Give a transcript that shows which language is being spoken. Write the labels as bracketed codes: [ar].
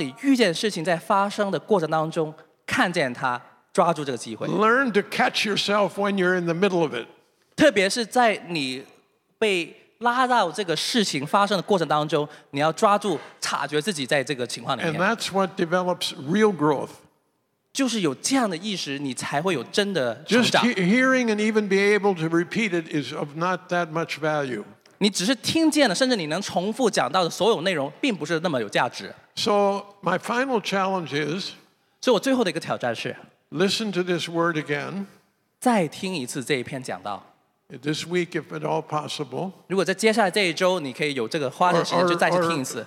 [zh] 你要在你的生命当中制造一个能力,当你遇见事情在发生的过程当中,看见它。 [en] Learn to catch yourself when you're in the middle of it. [zh] 特别是在你被拉到这个事情发生的过程当中, 你要抓住察觉自己在这个情况里面。 [en] And that's what develops real growth. [zh] 就是有这样的意识, 你才会有真的成长。 [en] Just hearing and even be able to repeat it is of not that much value. [zh] 你只是听见了, 甚至你能重复讲到的所有内容, 并不是那么有价值。 [en] So my final challenge is, [zh] 所以我最后的一个挑战是, [en] listen to this word again. [zh] 再听一次这一篇讲道。 [en] This week, if at all possible. [zh] 如果在接下来这一周，你可以有这个花的时间，就再次听一次。